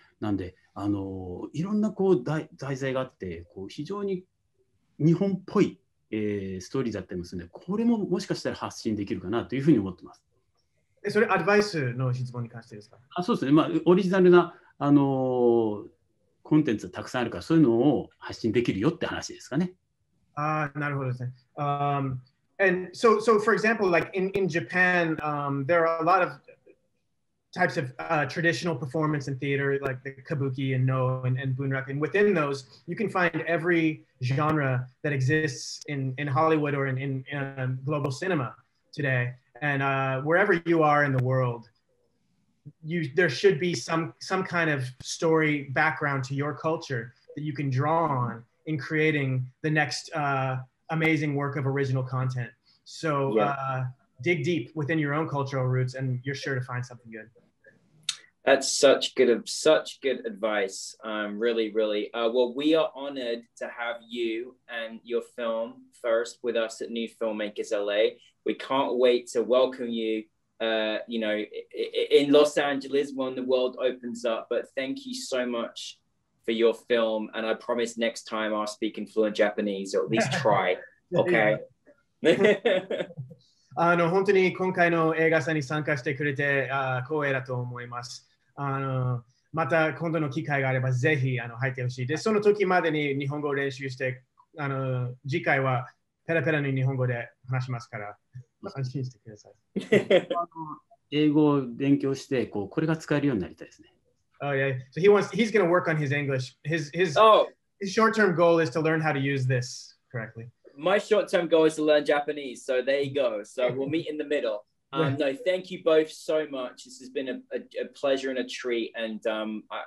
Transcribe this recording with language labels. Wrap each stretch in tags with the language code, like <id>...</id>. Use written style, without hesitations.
<ja>なんでいろんなこう題材があって、こう非常に日本っぽい、ストーリーだったりもするんで、これももしかしたら発信できるかなというふうに思ってます。それアドバイスの質問に関してですか？あ、そうですね。まあ、オリジナルな、コンテンツがたくさんあるから、そういうのを発信できるよって話ですかね。ああ、なるほどですね。</ja> <en>And so for example, like in Japan, there are a lot of types of traditional performance and theater, like the kabuki and no and bunraku. And within those, you can find every genre that exists in Hollywood or in global cinema today. And wherever you are in the world, there should be some kind of story background to your culture that you can draw on in creating the next amazing work of original content. So dig deep within your own cultural roots and you're sure to find something good. That's such good advice. Really, really. Well, we are honored to have you and your film FIRST with us at New Filmmakers LA. We can't wait to welcome you, in Los Angeles when the world opens up. But thank you so much for your film. And I promise next time I'll speak in fluent Japanese or at least try. Okay.</en> <ja>No, 本当に今回の映画祭に参加してくれて光栄だと思います。また今度の機会があればぜひ入ってほしい。で、その時までに日本語を練習して、次回はペラペラの日本語で話しますから。安心してください。英語を勉強して、これが使えるようになりたいですね。</ja> <en>Oh, yeah. So he's going to work on his English. His short-term goal is to learn how to use this correctly. My short-term goal is to learn Japanese. So there you go. So we'll meet in the middle. No, thank you both so much. This has been a pleasure and a treat. And really, really fantastic. Thank you both very, very much.</en>